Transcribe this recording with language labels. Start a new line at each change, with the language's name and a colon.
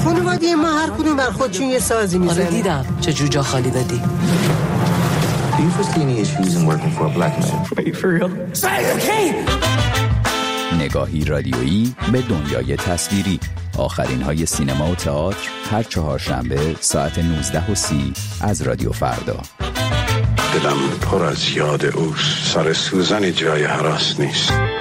Persian: خانواده ما هر کدوم بر خودشون یه سازی میزنه. آره دیدم چه جوجا خالی دادی.
English: Do you foresee any issues in working for a black man? Are you for real? Say it again!
Persian: نگاهی رادیویی به دنیای تصویری، آخرین های سینما و تئاتر هر چهارشنبه ساعت 19:30 از رادیو فردا. دلم پر از یاد اوست، سر سوزنی جای هراس نیست.